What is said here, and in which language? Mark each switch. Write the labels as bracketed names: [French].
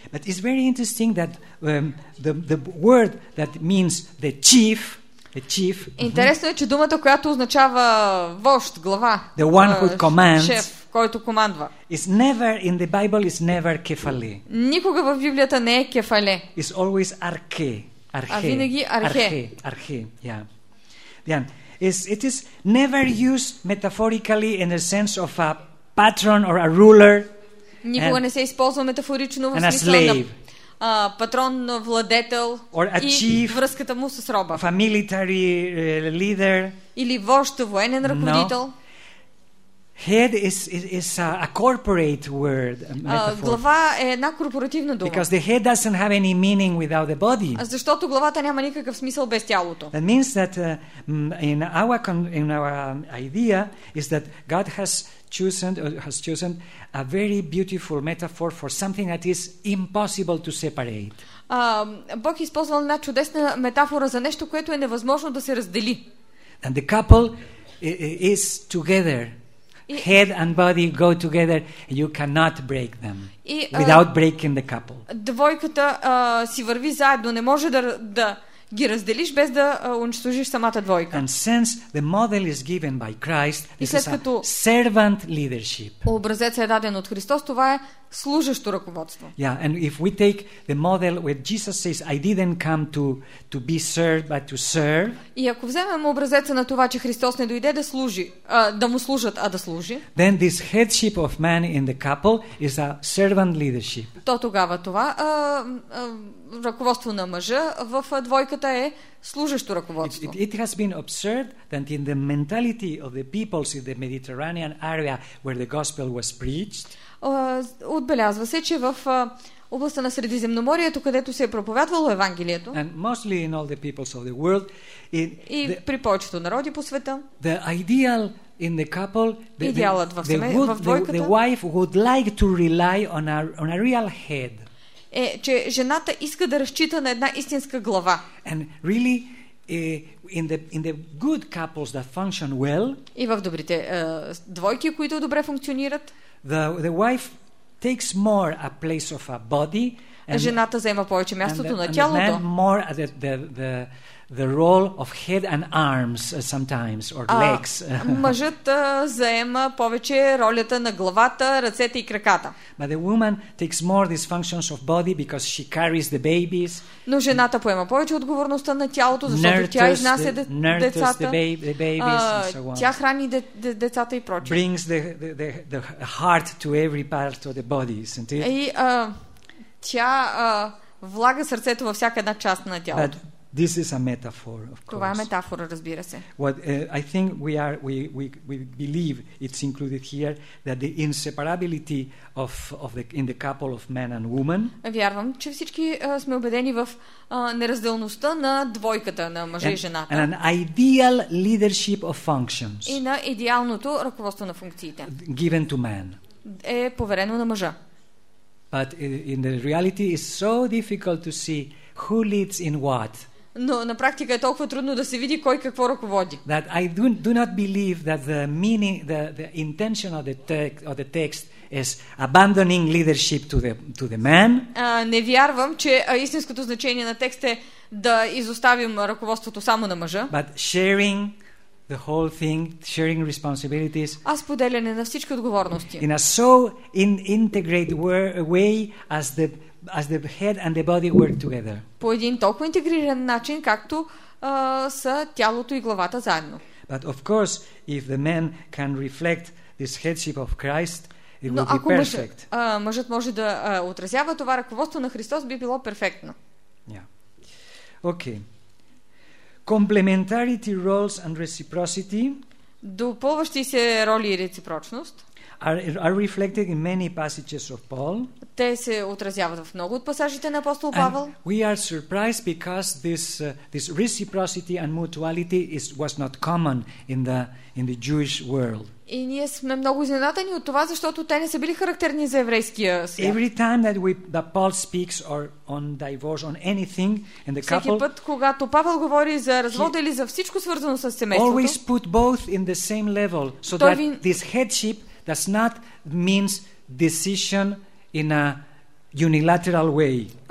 [English] But it's very interesting that the word that means the chief. [Bulgarian] Интересно е, че думата, която означава вожд, глава. [English] The one who commands. [Bulgarian] Шеф, който командва. [English] Is never in the Bible is never кефале. [Bulgarian] Никога в Библията не е кефале. [English] It's always арке. [Bulgarian] Архе. А винаги архе. [English] Архе, yeah. It is never used metaphorically in the sense of a patron or a ruler. [Bulgarian] Никога не се използва метафорично в смисъл [English] slave, [Bulgarian] на патрон, владетел [English] or a [Bulgarian] и [English] chief, [Bulgarian] връзката му с роба. [English] A military leader. [Bulgarian] Или вожд, военен ръководител. [English] No. Head is a corporate word, metaphor. [Bulgarian] Глава е една корпоративна дума. [English] Because the head doesn't have any meaning without the body. [Bulgarian] Защото главата няма никакъв смисъл без тялото. [English] That means that in our idea is that God has chosen a very beautiful metaphor for something that is impossible to separate. [Bulgarian] Бог използвал една чудесна метафора за нещо, което е невъзможно да се раздели. [English] And the couple is together. Head and body go together. You cannot break them without breaking the couple. [Bulgarian] Двойката си върви заедно. Не може да ги разделиш без да унищожиш самата двойка. [English] And since the model is given by Christ, this is a servant leadership. [Bulgarian] Образец е даден от Христос. Това е служещо ръководство. [English] Yeah, and if we take the model where Jesus says, "I didn't come to be served, but to serve." [Bulgarian] И ако вземем образеца на това, че Христос не дойде да служи, да му служат, а да служи. [English] Then this headship of man in the couple is a servant leadership. [Bulgarian] То тогава това ръководство на мъжа в двойката е служещо ръководство. [English] It has been observed that in the mentality of the peoples in the Mediterranean area where the gospel was preached. [Bulgarian] Отбелязва се, че в областта на Средиземноморието, където се е проповядвало Евангелието, [English] and mostly in all the peoples of the world, [Bulgarian] и при повечето народи по света, [English] the ideal in the couple, [Bulgarian] идеалът в двойката, [English] the wife would like to rely on a real head. [Bulgarian] Е, че жената иска да разчита на една истинска глава. [English] And really, in the good couples that function well, [Bulgarian] и в добрите двойки, които добре функционират, [English] the wife takes more a place of a body, and [Bulgarian] жената заема повече мястото [English] and [Bulgarian] на тялото, [English] and the man more the role of head and arms sometimes or legs. [Bulgarian] Мъжът заема повече ролята на главата, ръцете и краката. [English] But the woman takes more these functions of body because she carries the babies. [Bulgarian] Но жената поема повече отговорността на тялото, защото тя изнася децата, тя храни децата и прочее. [English] Brings the heart to every part of the body, isn't it? [Bulgarian] И тя влага сърцето във всяка една част на тялото. [English] But This is a metaphor, of course. [Bulgarian] Това е метафора, разбира се. [English] What I think we believe it's included here that the inseparability of the in the couple of man and woman. [Bulgarian] Вярвам, че всички сме убедени в неразделността на двойката на мъжа и жената. [English] And an ideal leadership of functions. [Bulgarian] И на идеалното ръководство на функциите. [English] Given to man. [Bulgarian] Е поверено на мъжа. [English] But in the reality it's so difficult to see who leads in what. [Bulgarian] Но на практика е толкова трудно да се види кой какво ръководи. [English] That I do not believe that the meaning, the intention of the text is abandoning leadership to the man. [Bulgarian] Не вярвам, че истинското значение на текста е да изоставим ръководството само на мъжа. [English] But sharing the whole thing, sharing responsibilities. [Bulgarian] А споделяне на всички отговорности. [English] In a so integrated way as the head and the body work together. [Bulgarian] По един толкова интегриран начин, както са тялото и главата заедно. [English] But of course, if the man can reflect this headship of Christ, it [Bulgarian] Но [English] will [Bulgarian] ако [English] be perfect. [Bulgarian] Мъжът може да отразява това ръководство на Христос, би било перфектно. [English] Yeah. Okay. Complementarity roles and reciprocity. [Bulgarian] Допълващи се роли и реципрочност. [English] Are reflected in many passages of Paul. [Bulgarian] Те се отразяват в много от пасажите на апостол Павел. [English] And we are surprised because this reciprocity and mutuality was not common in the Jewish world. [Bulgarian] И ние сме много изненадани от това, защото те не са били характерни за еврейския свят. [English] Every time that Paul speaks or on divorce on anything in the couple. [Bulgarian] Всеки път, когато Павел говори за развода или за всичко свързано с семейството. [English] Always put both in the same level so that this headship does not mean decision in a unilateral way.